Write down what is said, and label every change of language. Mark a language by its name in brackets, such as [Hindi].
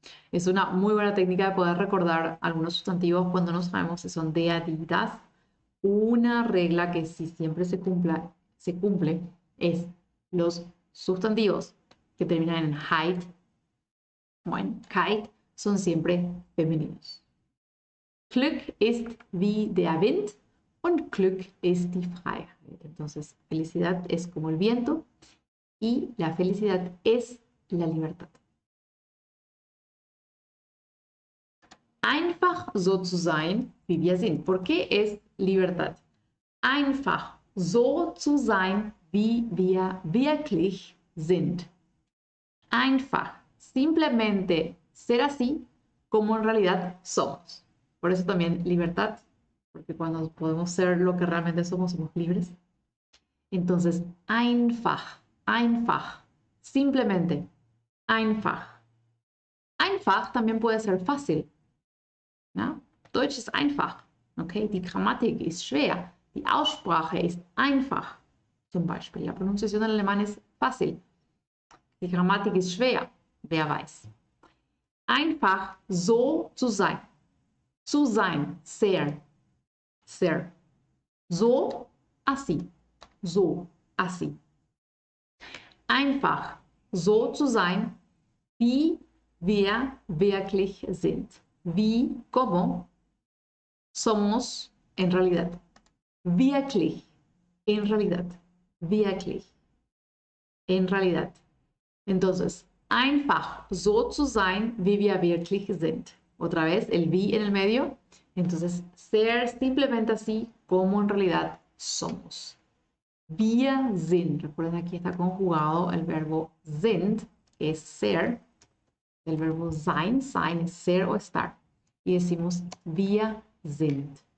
[Spanish] Es una muy buena técnica de poder recordar algunos sustantivos cuando no sabemos si son de adidas. Una regla que si siempre se cumple es los sustantivos que terminan en Heit, bueno, Heit, son siempre femeninos. [German] Glück ist wie der Wind. Und Glück ist die Freiheit. [Spanish] Entonces, felicidad es como el viento y la felicidad es la libertad. [German] Einfach so zu sein, wie wir sind. [Spanish] ¿Por qué es libertad? [German] Einfach so zu sein, wie wir wirklich sind. [Spanish] Einfach, simplemente ser así como en realidad somos. Por eso también libertad. Porque cuando podemos ser lo que realmente somos, somos libres. [German] Entonces, einfach, einfach, simplemente, einfach. [Spanish] Einfach también puede ser fácil, ¿no? [German] Deutsch ist einfach, ¿ok? Die Grammatik ist schwer, die Aussprache ist einfach, zum Beispiel. [Spanish] La pronunciación en alemán es fácil. [German] Die Grammatik ist schwer, wer weiß. Einfach so zu sein, ser. Ser. [Spanish] So, así. So, así. [German] Einfach so zu sein, wie wir wirklich sind. [Spanish] Wie, como, somos en realidad. Wirklich, en realidad. Wirklich, en realidad. [German] Entonces, einfach so zu sein, wie wir wirklich sind. [Spanish] Otra vez, el wie en el medio. Entonces, ser simplemente así como en realidad somos. [German] Wir sind. [Spanish] Recuerden, aquí está conjugado el verbo sind, que es ser. El verbo sein, sein es ser o estar. Y decimos wir sind.